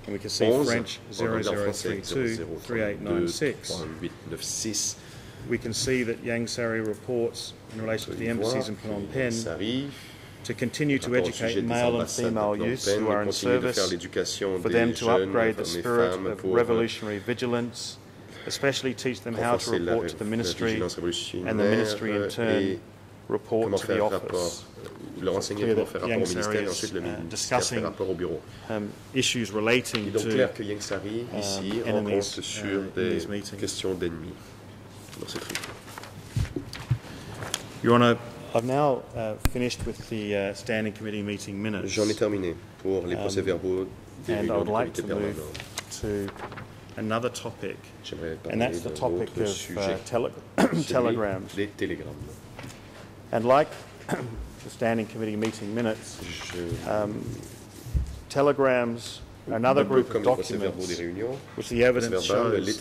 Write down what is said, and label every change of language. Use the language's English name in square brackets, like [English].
[English] we can see French 00032-3896, we can see that Yang Sari reports in relation to the embassies in Phnom Penh to continue to educate male and female youths who are in service, for them to upgrade the spirit of revolutionary vigilance, especially teach them how to report to the ministry, and the ministry in turn report to the office. [French] Rapport, le renseigner pour faire rapport au ministère et ensuite le ministère faire rapport au bureau. [English] Issues relating [French] to Yangtze ici rencontre sur des questions d'ennemis dans cette région. [English] Your Honor, I've now finished with the standing committee meeting minutes. [French] J'en ai terminé pour les procès-verbaux des réunions du comité permanent. [English] Another topic, and that's the topic of telegrams. [French] Les télégrammes. [English] And like the standing committee meeting minutes, telegrams, another group of documents, which the evidence shows